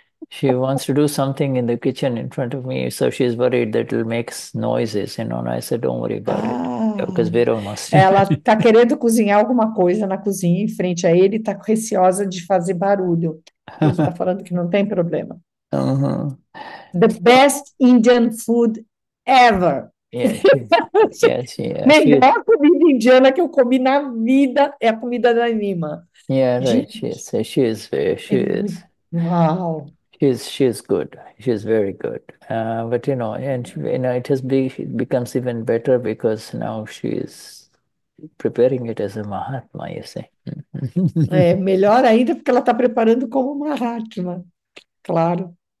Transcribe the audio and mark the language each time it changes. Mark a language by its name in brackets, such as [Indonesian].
[English] She wants to do something in the kitchen in front of me, so she's worried that it'll make noises, and I said, don't worry about it. Because we're almost. [Portuguese] Ela está querendo cozinhar alguma coisa na cozinha em frente a ele, está receosa de fazer barulho. Ele está falando que não tem problema. [English] The best Indian food ever. [Portuguese] Melhor comida indiana que eu comi na vida é a comida da Nima. Gente, [English] She is. [Portuguese] é muito. Uau! [English] She's good. She's very good. But you know, and she, you know, it has becomes even better because now she's preparing it as a Mahatma, you see. [Portuguese] É melhor ainda porque ela está preparando como uma Mahatma, claro.